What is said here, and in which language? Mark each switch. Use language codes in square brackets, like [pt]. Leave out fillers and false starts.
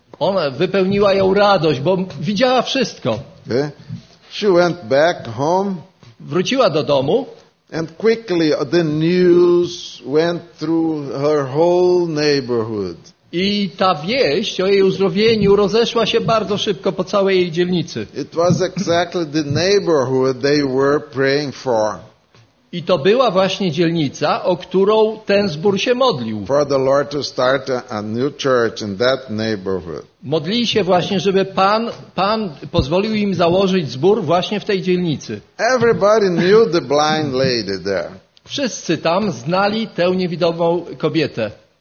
[pl] Ona wypełniła ją radość, bo widziała wszystko. [en] Okay. She went back home. [pl] Wróciła do domu. [en] And quickly the news went through her whole neighborhood. [pl] I ta wieść o jej uzdrowieniu rozeszła się bardzo szybko po całej jej dzielnicy. [en] It was exactly the neighborhood they were praying for. [pl] I to była właśnie dzielnica, o którą ten zbór się modlił. [en] For the Lord to start a new church in that neighborhood. [pl] Modlili się właśnie, żeby Pan pozwolił im założyć zbór właśnie w tej dzielnicy. [en] Everybody knew the blind lady there. [pl] Wszyscy tam znali tę niewidomą kobietę.